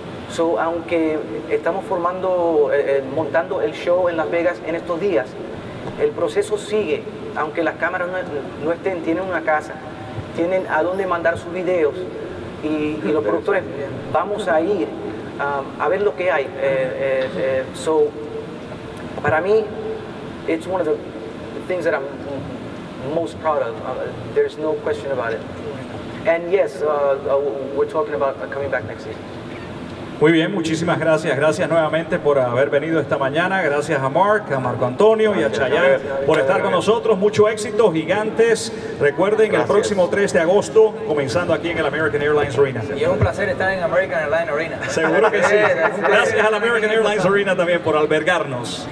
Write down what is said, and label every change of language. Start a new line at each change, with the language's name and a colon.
Spanish: So, aunque estamos formando, montando el show en Las Vegas en estos días, el proceso sigue, aunque las cámaras no estén, tienen una casa, tienen a dónde mandar sus videos y los productores, vamos a ir a ver lo que hay.
English: So,
Spanish: para mí,
English: it's one of the things that I'm most proud of. There's no question about it. And yes, we're talking about coming back next year.
Spanish: Muy bien, muchísimas gracias. Gracias nuevamente por haber venido esta mañana. Gracias a Mark, a Marco Antonio y a Chayanne por estar con nosotros. Mucho éxito, gigantes. Recuerden, gracias. El próximo 3 de agosto, comenzando aquí en el American Airlines Arena. Y es un placer estar en American Airlines Arena. Seguro que sí. Gracias a la American Airlines Arena también por albergarnos.